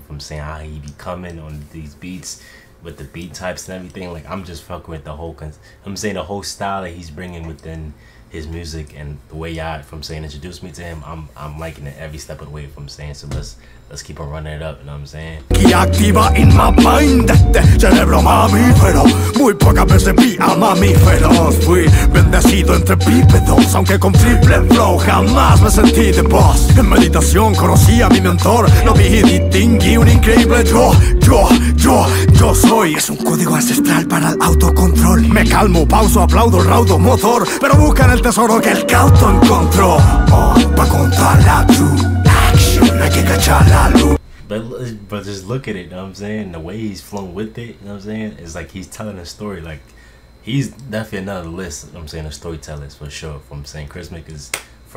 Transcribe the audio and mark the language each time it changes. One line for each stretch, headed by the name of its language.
English: From saying how he be coming on these beats, with the beat types and everything. Like, I'm just fucking with the whole, I'm saying, the whole style that he's bringing within his music and the way y'all, from saying, introduce me to him, I'm liking it every step of the way, from saying, so let's keep on running it up, you know what I'm saying?
Spanish: Que activa
English: in my mind,
Spanish: este cerebro mamífero, muy pocas veces vi a mamíferos, fui bendecido entre bípedos, aunque con triple flow jamás me sentí de boss. En meditación conocí a mi mentor, lo vi y distinguí un increíble yo, yo, yo, yo soy. Es un código ancestral para el autocontrol. Me calmo, pauso, aplaudo, raudo, motor, pero busca el tesoro que el cauto encontró. Pa contar la true.
English: But just look at it, you know what I'm saying? The way he's flown with it, you know what I'm saying? It's like he's telling a story. Like, he's definitely another list, you know what I'm saying, of storytellers for sure. If I'm saying, Chrismic is, if